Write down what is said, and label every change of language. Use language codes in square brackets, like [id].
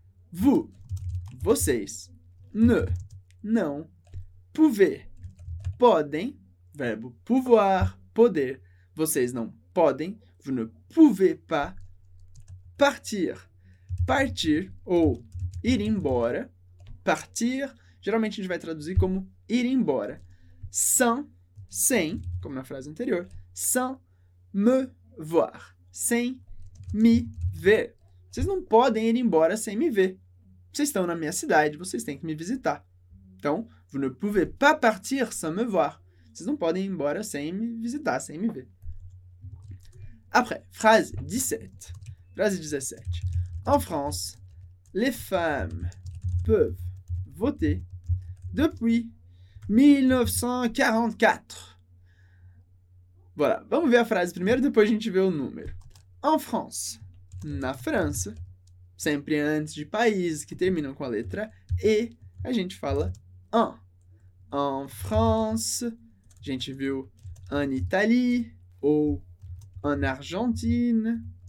[pt] Vous. Vocês. Ne. Não. Pouvez. Podem. Verbo pouvoir. Poder. Vocês não podem. [fr] Vous ne pouvez pas partir. [pt] Partir ou ir embora. Partir, geralmente a gente vai traduzir como ir embora. Sem, como na frase anterior, [fr] sans me voir, [pt] sem me ver. Vocês não podem ir embora sem me ver. Vocês estão na minha cidade, vocês têm que me visitar. [fr] Então, vous ne pouvez pas partir sans me voir. [pt] Vocês não podem ir embora sem me visitar, sem me ver. [fr] Après, phrase 17. Frase 17. En France, les femmes peuvent voter depuis 1944. [pt] Voilà, vamos ver a frase primeiro, depois a gente vê o número. En France, na França, sempre antes de países que terminam com a letra E, a gente fala en. En France, a gente viu en Italie ou en Argentine.